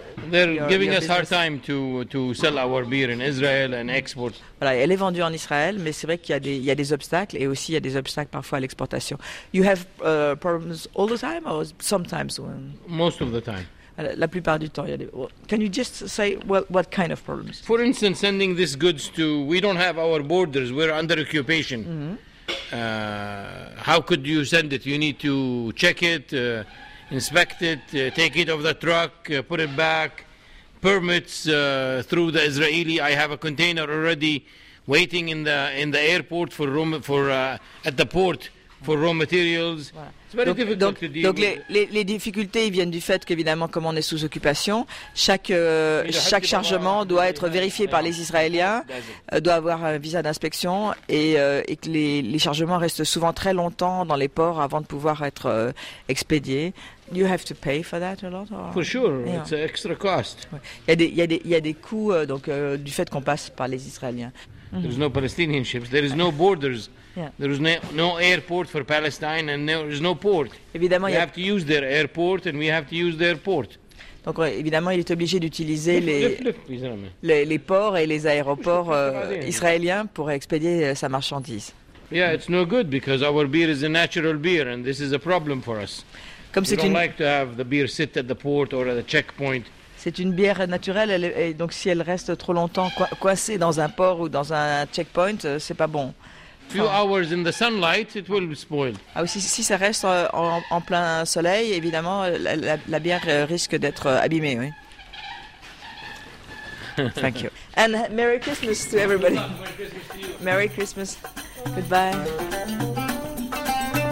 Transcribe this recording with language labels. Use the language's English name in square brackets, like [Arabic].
[English] They're giving us hard time to sell our beer in Israel and export. [French] Voilà, elle est vendue en Israël, mais c'est vrai qu'il y a des obstacles et aussi il y a des obstacles parfois à l'exportation. [English] You have problems all the time or sometimes when? Most of the time. [French] La plupart du temps, il y a des. [English] Can you just say what kind of problems? For instance, sending these goods to, we don't have our borders. We're under occupation. Mm-hmm. How could you send it? You need to check it. Inspect it, take it off the truck, put it back. Permits through the Israeli. I have a container already waiting in the airport for room for at the port for raw materials. [French] Donc les difficultés viennent du fait qu'évidemment, comme on est sous occupation, chaque chargement doit être vérifié par les Israéliens, doit avoir un visa d'inspection et que les chargements restent souvent très longtemps dans les ports avant de pouvoir être expédiés. [English] You have to pay for that a lot. Or? For sure, yeah. It's an extra cost. [French] Il y a des coûts donc du fait qu'on passe par les Israéliens. [English] Mm-hmm. There is no Palestinian ships. There is no borders. Yeah. There is no airport for Palestine, and there is no port. [French] Évidemment, [English] we have to use their airport, and we have to use their port. [French] Donc évidemment, il est obligé d'utiliser les ports et les aéroports israéliens pour expédier sa marchandise. [English] Yeah, it's no good because our beer is a natural beer, and this is a problem for us. [French] Comme [English] we don't like to have the beer sit at the port or at the checkpoint. [French] C'est une bière naturelle, et donc si elle reste trop longtemps coincée dans un port ou dans un checkpoint, c'est pas bon. [English] Few hours in the sunlight, it will be spoiled. [French] Ah, si ça reste en plein soleil, évidemment, la bière risque d'être abîmée, oui. [English] Thank you. And Merry Christmas to everybody. Merry Christmas to you. Merry Christmas. Goodbye.